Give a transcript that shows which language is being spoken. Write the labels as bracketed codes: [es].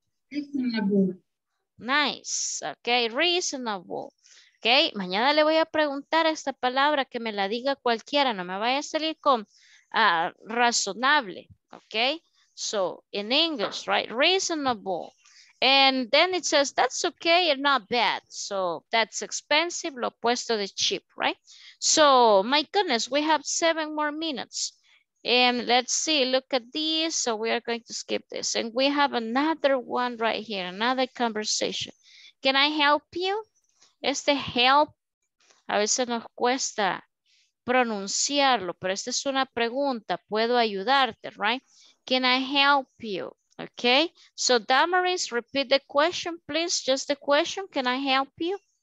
[en] Reasonable. Nice. Ok, reasonable. Okay. [es] Mañana le voy a preguntar esta palabra, que me la diga cualquiera, no me vaya a salir con razonable, okay? [en] So in English, right? Reasonable. And then it says that's okay and not bad. So that's expensive, [es] lo opuesto de [en] cheap, right? So my goodness, we have 7 more minutes. And let's see, look at this. So we are going to skip this. And we have another one right here, another conversation. Can I help you? [es] Este help, a veces nos cuesta pronunciarlo, pero esta es una pregunta. ¿Puedo ayudarte, [en] right? Can I help you? Okay. So, Damaris, repeat the question, please. Just the question. Can I help you?